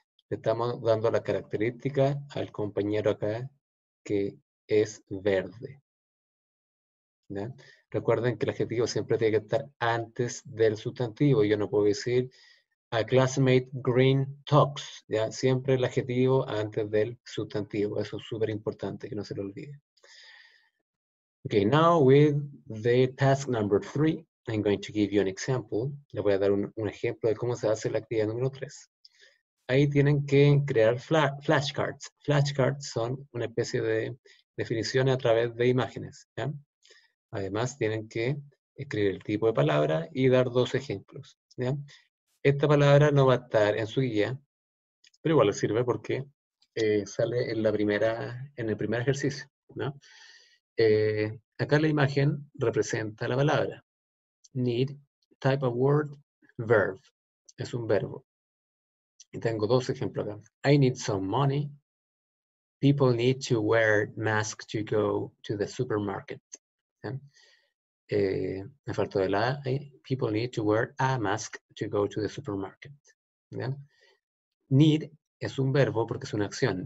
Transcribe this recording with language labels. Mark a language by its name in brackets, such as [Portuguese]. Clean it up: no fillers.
[Spanish] Le estamos dando la característica al compañero acá que es verde. ¿Ya? Recuerden que el adjetivo siempre tiene que estar antes del sustantivo. Yo no puedo decir [English] a classmate green talks. [Spanish] ¿Ya? Siempre el adjetivo antes del sustantivo. Eso es súper importante, que no se lo olvide. [English] Okay, now with the task number 3, I'm going to give you an example. [Spanish] Le voy a dar un ejemplo de cómo se hace la actividad número 3. Ahí tienen que crear flashcards. Flashcards son una especie de definiciones a través de imágenes. ¿Ya? Además, tienen que escribir el tipo de palabra y dar 2 ejemplos. ¿Ya? Esta palabra no va a estar en su guía, pero igual les sirve porque sale en la primera, en el primer ejercicio. ¿No? Acá la imagen representa la palabra. [English] Need, type of word, verb. [Spanish] Es un verbo. Y tengo 2 ejemplos acá. [English] I need some money. People need to wear masks to go to the supermarket. [Spanish] Me faltó el A. [English] People need to wear a mask to go to the supermarket. [Spanish] ¿Ya? Need es un verbo porque es una acción.